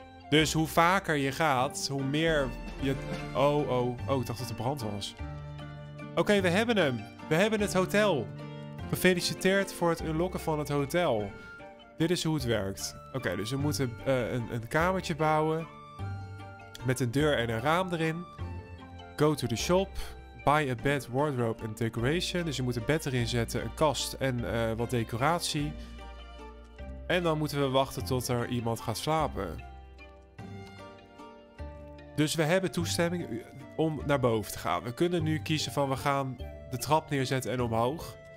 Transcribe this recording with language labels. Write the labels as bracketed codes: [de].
[nl] Dus hoe vaker je gaat, hoe meer je... Oh, oh. Oh, ik dacht dat er brand was. Oké, we hebben hem. We hebben het hotel. Gefeliciteerd voor het unlocken van het hotel. Dit is hoe het werkt. Oké, dus we moeten een kamertje bouwen. Met een deur en een raam erin. [en] Go to the shop. Buy a bed, wardrobe and decoration. [nl] Dus je moet een bed erin zetten, een kast en wat decoratie. En dan moeten we wachten tot er iemand gaat slapen. Dus we hebben toestemming om naar boven te gaan. We kunnen nu kiezen van we gaan de trap neerzetten en omhoog.